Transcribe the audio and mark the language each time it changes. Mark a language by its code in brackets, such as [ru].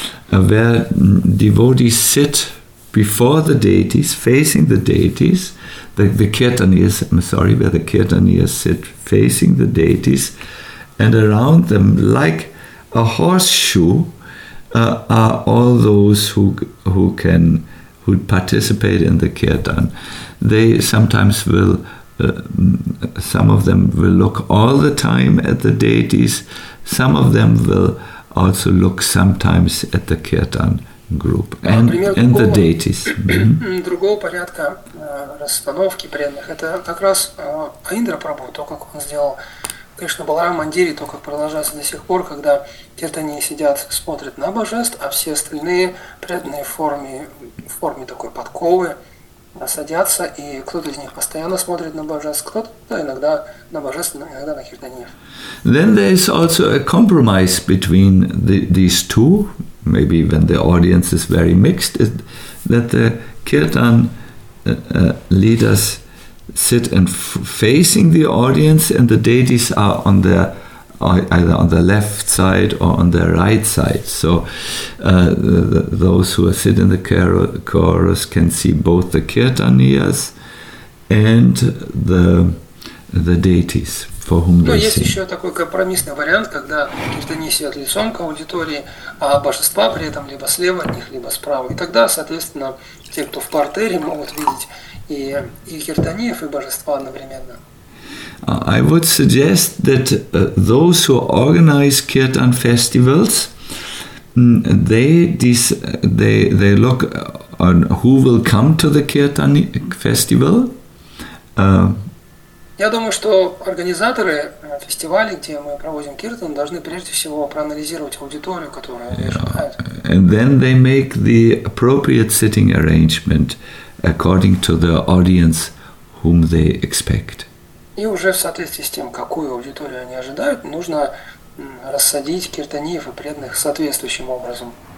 [en] where devotees sit before the deities, facing the deities, where the kirtaniyas sit facing the deities, and around them, like a horseshoe, are all those who participate in the kirtan. They sometimes will, some of them will look all the time at the deities, some of them will also look sometimes at the kirtan group and the deities. [ru] Другого порядка расстановки преданных. Это как раз Аиндра Прабху, то, как он сделал Кришна Баларам Мандире, то, как продолжается до сих пор, когда киртани сидят, смотрят на божеств, а все остальные преданные в форме такой подковы садятся, и кто-то из них постоянно смотрит на божеств, кто-то иногда на божеств, иногда на киртани. [en] Then there is also a compromise between these two. Maybe when the audience is very mixed, is that the kirtan leaders sit and facing the audience, and the deities are on their either on the left side or on their right side. So those who sit in the chorus can see both the kirtaniyas and the deities for whom they sing. [ru] Есть еще такой компромиссный вариант, когда киртани сидят лицом к аудитории, а божества при этом либо слева от них, либо справа. И тогда, соответственно, те, кто в партере, могут видеть и киртаниев, и божества одновременно. [en] I would suggest that those who organize kirtan festivals, they look on who will come to the kirtan festival. [ru] Я думаю, что организаторы фестиваля, где мы проводим киртан, должны прежде всего проанализировать аудиторию, которая ожидает. [en] And then they make the appropriate sitting arrangement according to the audience whom they expect. [ru] И уже в соответствии с тем, какую аудиторию они ожидают, нужно рассадить киртаниев и преданных соответствующим образом.